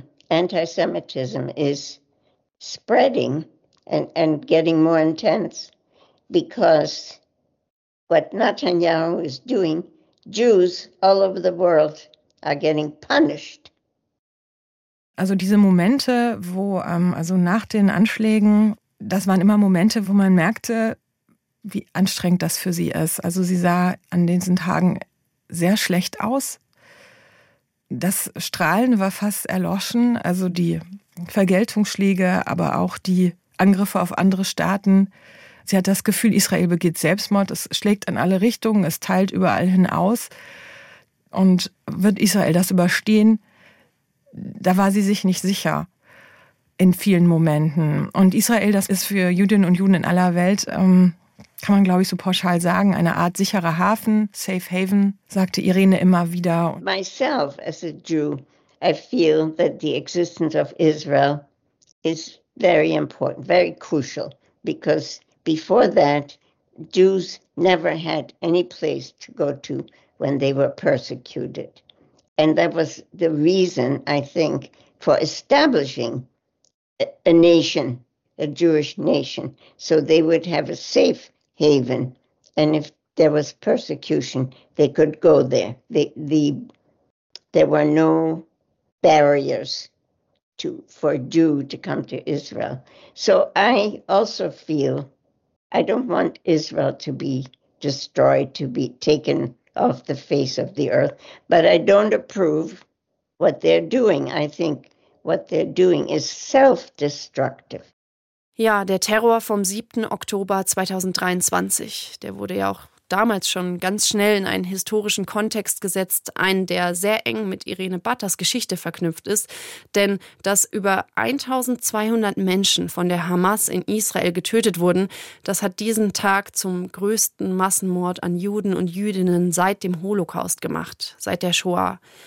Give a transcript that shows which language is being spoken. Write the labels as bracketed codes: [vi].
[en] Antisemitism is spreading and getting more intense because what Netanyahu is doing, Jews all over the world are getting punished. [de] Also diese Momente, wo also nach den Anschlägen, das waren immer Momente, wo man merkte, wie anstrengend das für sie ist. Also sie sah an diesen Tagen sehr schlecht aus. Das Strahlen war fast erloschen, also die Vergeltungsschläge, aber auch die Angriffe auf andere Staaten. Sie hat das Gefühl, Israel begeht Selbstmord, es schlägt in alle Richtungen, es teilt überall hin aus. Und wird Israel das überstehen? Da war sie sich nicht sicher in vielen Momenten. Und Israel, das ist für Jüdinnen und Juden in aller Welt, kann man, glaube ich, so pauschal sagen, eine Art sicherer Hafen, safe haven, sagte Irene immer wieder. [en] Myself as a Jew, I feel that the existence of Israel is very important, very crucial, because before that, Jews never had any place to go to when they were persecuted. And that was the reason, I think, for establishing a nation, a Jewish nation, so they would have a safe haven. And if there was persecution, they could go there. There were no barriers for a Jew to come to Israel. So I also feel I don't want Israel to be destroyed, to be taken off the face of the earth, but I don't approve what they're doing. I think what they're doing is self-destructive. [de] Ja, der Terror vom 7. Oktober 2023, der wurde ja auch damals schon ganz schnell in einen historischen Kontext gesetzt, einen, der sehr eng mit Irene Batters Geschichte verknüpft ist. Denn dass über 1200 Menschen von der Hamas in Israel getötet wurden, das hat diesen Tag zum größten Massenmord an Juden und Jüdinnen seit dem Holocaust gemacht, seit der Shoah.